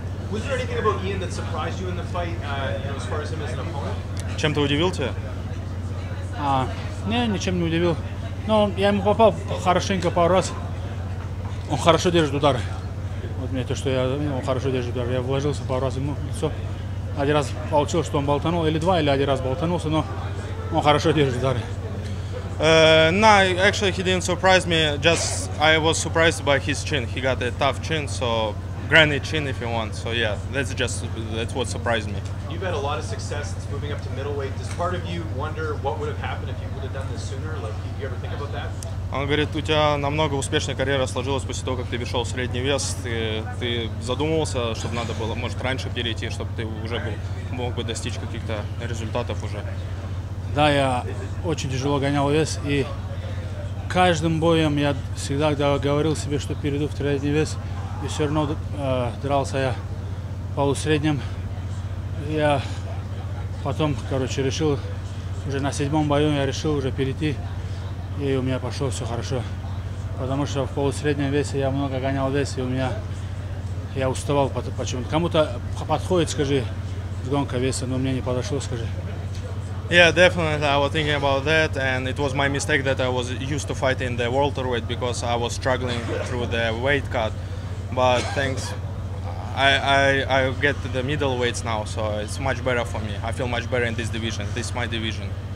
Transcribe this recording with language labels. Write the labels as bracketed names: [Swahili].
[English] Was there anything about Ian that surprised you in the fight, as far as him as an opponent? [Russian] Чем-то удивил тебя? Не, ничем не удивил. Но я ему попал хорошенько пару раз. Он хорошо держит удары. Мне то, что я хорошо держу, я вложился пару раз ему в лицо. Один раз получилось, что он болтанул, или два, или один раз болтанулся, но он хорошо держит удары. [English] No, actually he didn't surprise me, just I was surprised by his chin. He got a tough chin, so granny chin, if you want. So yeah, that's what surprised me. You've had a lot of success since moving up to middleweight. Does part of you wonder what would have happened if you would have done this sooner? Like, do you ever think about that? [Russian] Он говорит, у тебя намного успешнее карьера сложилась после того, как ты перешел в средний вес. Ты задумывался, чтобы надо было, может, раньше перейти, чтобы ты уже мог бы достичь каких-то результатов уже. Да, я очень тяжело гонял вес, и каждым боем я всегда говорил себе, что перейду в средний вес, и все равно дрался я полусреднем. Я потом, короче, решил, уже на седьмом бою я решил уже перейти. И у меня пошло все хорошо, потому что в полусреднем весе я много гонял вес, и у меня, я уставал почему-то. Кому-то подходит, скажи, гонка веса, но мне не подошло, скажи. [English] Yeah, definitely, I was thinking about that, and it was my mistake that I was used to fighting the welterweight, because I was struggling through the weight cut, but thanks, I get to the middleweights now, so it's much better for me. I feel much better in this division, this is my division.